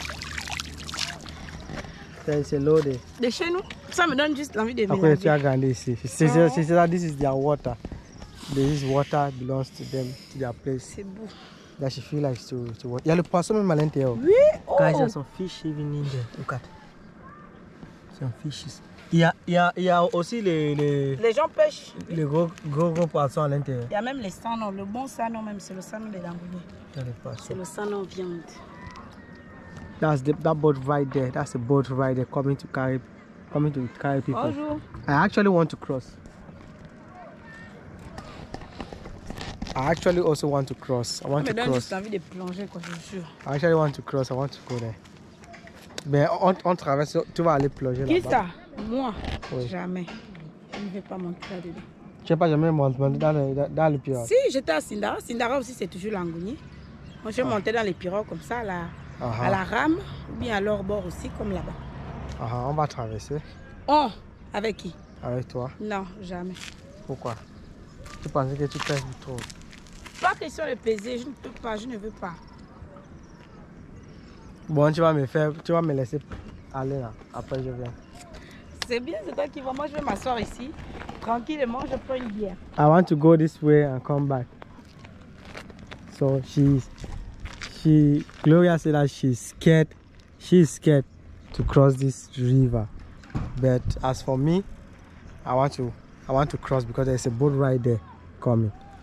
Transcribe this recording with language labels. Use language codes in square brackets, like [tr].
[en] Wow. [fr] Ça c'est l'eau de. De chez nous? Ça me donne juste l'envie de venir. Après tu as grandi ici. C'est ça. [en] This is their water. This water belongs to them, to their place. [fr] C'est beau. Là je [en] feel like to water. [fr] Il y a le poisson même à l'intérieur. Oui. Oh. [en] Guys, there's some fish even in there. Look at. Some fishes. [fr] Il y a aussi les gens pêchent. Les gros poissons à l'intérieur. Il y a même les sanons, le bon sanon même, c'est le sanon des langouillés. Il y a les poissons. C'est le sanon viande. [en] That's that boat right there. That's the boat right there coming to carry people. [fr] Bonjour. [en] I actually want to cross. I actually also want to cross. I want [fr] mais [en] to cross. [fr] Mais donne juste envie de plonger quoi, je suis sûr. [en] I actually want to cross. I want to go there. [fr] Mais on traverse, tu vas aller plonger qui là-bas. Qui ça? Moi, oui. Jamais. Je ne vais pas monter là-dedans. Tu n'as pas jamais monté dans le pirogue? Si, j'étais à Sindara. Sindara aussi, c'est toujours l'Angouigné. Moi, je montais dans les pirogues comme ça, là, à la rame, ou bien à leur bord aussi, comme là-bas. On va traverser. Oh, avec qui? Avec toi. Non, jamais. Pourquoi? Tu pensais que tu pèses trop? Pas question de peser, je ne peux pas, je ne veux pas. Bon, tu vas me laisser aller là, après je viens. C'est bien, c'est toi qui vas. Moi, je vais m'asseoir ici Tranquillement, je prends une bière. [en] I want to go this way and come back. So she Gloria said that she's scared to cross this river. But as for me, I want to cross because there's a boat right there coming.